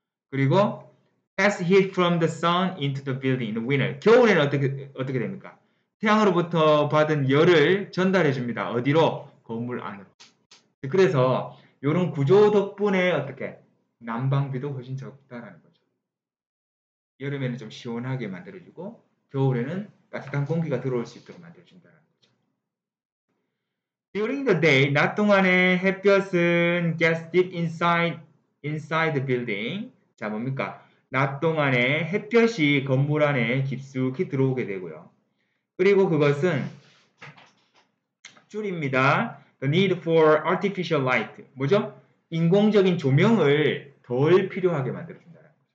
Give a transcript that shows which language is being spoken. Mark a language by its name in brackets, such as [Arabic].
[Korean] 그리고, [English] Pass heat from the sun into the building in the winter. [Korean] 겨울에는 어떻게 됩니까? 태양으로부터 받은 열을 전달해줍니다. 어디로? 건물 안으로. 그래서 이런 구조 덕분에 어떻게? 난방비도 훨씬 적다라는 거죠. 여름에는 좀 시원하게 만들어주고 겨울에는 따뜻한 공기가 들어올 수 있도록 만들어준다는 거죠. [English] During the day, [Korean] 낮 동안에 햇볕은 [English] gets deep inside the building. [Korean] 자, 뭡니까? 낮 동안에 햇볕이 건물 안에 깊숙이 들어오게 되고요. 그리고 그것은 줄입니다. [English] The need for artificial light. [Korean] 뭐죠? 인공적인 조명을 덜 필요하게 만들어준다는 거죠.